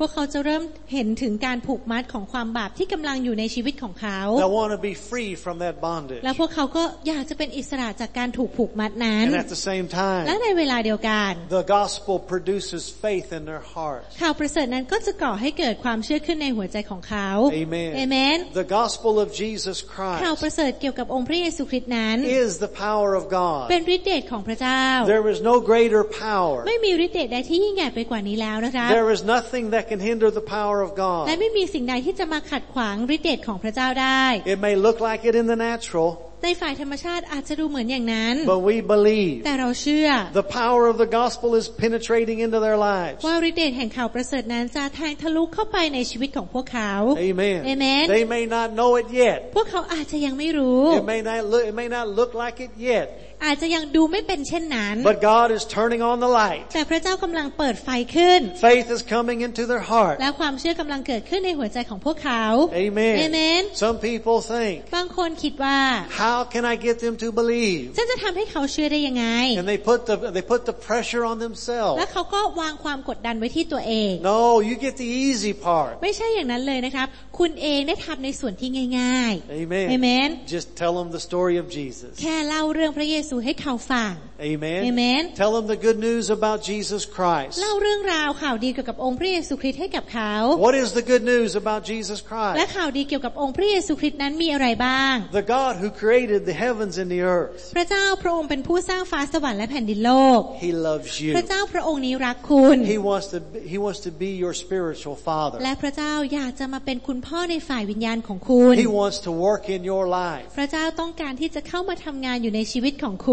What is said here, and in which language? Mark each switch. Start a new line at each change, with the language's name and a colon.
Thai: พวกเขาจะเริ่มเห็นถึงการผูกมัดของความบาปที่กำลังอยู่ในชีวิตของเขา
English: They want to be free from that bondage
Thai: แล้วพวกเขาก็อยากจะเป็นอิสระจากการถูกผูกมัดนั้น
English: And at the same time
Thai: และในเวลาเดียวกัน
English: The gospel produces faith in their heart
Thai: ข่าวประเสริฐนั้นก็จะก่อให้เกิดความเชื่อขึ้นในหัวใจของเขา
English: Amen Amen The gospel of Jesus Christ
Thai: ข่าวประเสริฐเกี่ยวกับองค์พระเยซูคริสต์นั้น
English: is the power of God
Thai: เป็นฤทธิ์เดชของพระเจ้า
English: There is no greater power
Thai: ไม่มีฤทธิ์เดชใดที่ยิ่งใหญ่ไปกว่านี้แล้วนะคะ
English: There is nothing that can hinder the power of God
Thai: และไม่มีสิ่งใดที่จะมาขัดขวางฤทธิ์เดชของพระเจ้าได้
English: It may look like it in the natural
Thai: ในฝ่ายธรรมชาติอาจจะดูเหมือนอย่างนั้น
English: But we believe
Thai: แต่เราเชื่อ
English: The power of the gospel is penetrating into their lives
Thai: ว่าฤทธิ์เดชแห่งข่าวประเสริฐนั้นจะแทงทะลุเข้าไปในชีวิตของพวกเขา
English: Amen Amen They may not know it yet
Thai: พวกเขาอาจจะยังไม่รู้
English: It may not look like it yet
Thai: อาจจะยังดูไม่เป็นเช่นนั้น
English: But God is turning on the light
Thai: แต่พระเจ้ากำลังเปิดไฟขึ้น
English: Faith is coming into their heart
Thai: และความเชื่อกำลังเกิดขึ้นในหัวใจของพวกเขา
English: Amen Amen Some people think
Thai: บางคนคิดว่า
English: How can I get them to believe
Thai: ฉันจะทำให้เขาเชื่อได้ยังไง
English: And they put the pressure on themselves
Thai: แล้วเขาก็วางความกดดันไว้ที่ตัวเอง
English: No you get the easy part
Thai: ไม่ใช่อย่างนั้นเลยนะครับคุณเองได้ทำในส่วนที่ง่าย
English: ๆ Amen Amen Just tell them the story of Jesus
Thai: แค่เล่าเรื่องพระเยซูให้เขาฟัง
English: Amen. Amen. Tell them the good news about Jesus Christ.
Thai: เล่าเรื่องราวข่าวดีเกี่ยวกับองค์พระเยซูคริสต์ให้กับเขา
English: What is the good news about Jesus Christ?
Thai: และข่าวดีเกี่ยวกับองค์พระเยซูคริสต์นั้นมีอะไรบ้าง
English: The God who created the heavens and the earth.
Thai: พระเจ้าพระองค์เป็นผู้สร้างฟ้าสวรรค์และแผ่นดินโลก
English: He loves you.
Thai: พระเจ้าพระองค์นี้รักคุณ
English: He wants to be your spiritual father.
Thai: และพระเจ้าอยากจะมาเป็นคุณพ่อในฝ่ายวิญญาณของคุณ
English: He wants to work in your life.
Thai: พระเจ้าต้องการที่จะเข้ามาทำงานอยู่ในชีวิตของค